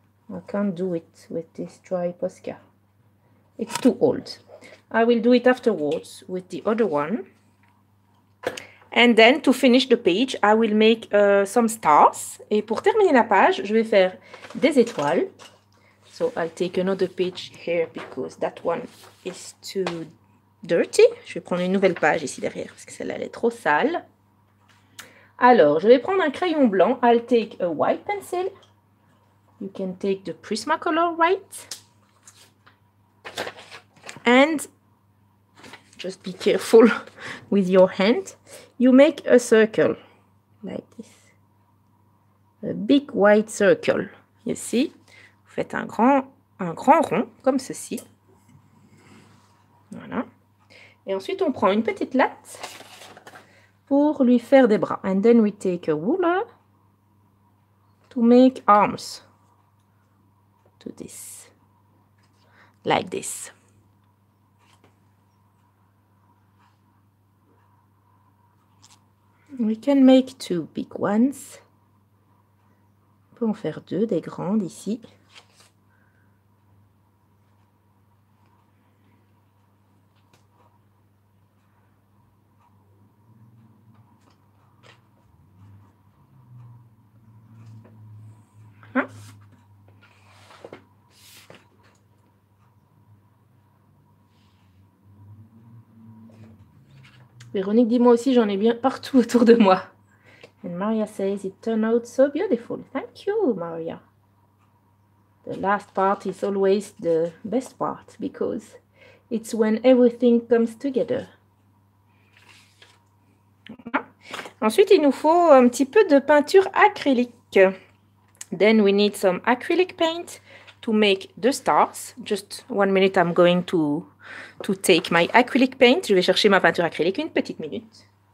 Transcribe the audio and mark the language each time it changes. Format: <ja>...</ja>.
<en>I can't do it with this dry Posca. It's too old. I will do it afterwards with the other one. And then, to finish the page, I will make some stars.</en> <fr>Et pour terminer la page, je vais faire des étoiles.</fr> <en>So, I'll take another page here because that one is too dirty.</en> <fr>Je vais prendre une nouvelle page ici derrière parce que celle-là, elle est trop sale. Alors, je vais prendre un crayon blanc.</fr> <en>I'll take a white pencil. You can take the Prismacolor white. And just be careful with your hand. You make a circle like this. A big white circle. You see?</en> <fr>Vous faites un grand rond comme ceci. Voilà. Et ensuite, on prend une petite latte pour lui faire des bras.</fr> <en>And then we take a ruler to make arms. To this. Like this. We can make two big ones.</en> <fr>On peut en faire deux, des grandes ici. Hein? Véronique dit moi aussi j'en ai bien partout autour de moi.</fr> <en>And Maria says it turned out so beautiful. Thank you, Maria. The last part is always the best part because it's when everything comes together.</en> <fr>Ensuite, il nous faut un petit peu de peinture acrylique.</fr> <en>Then we need some acrylic paint to make the stars. Just 1 minute, I'm going to take my acrylic paint.</en> <fr>Je vais chercher ma peinture acrylique, une petite minute.</fr>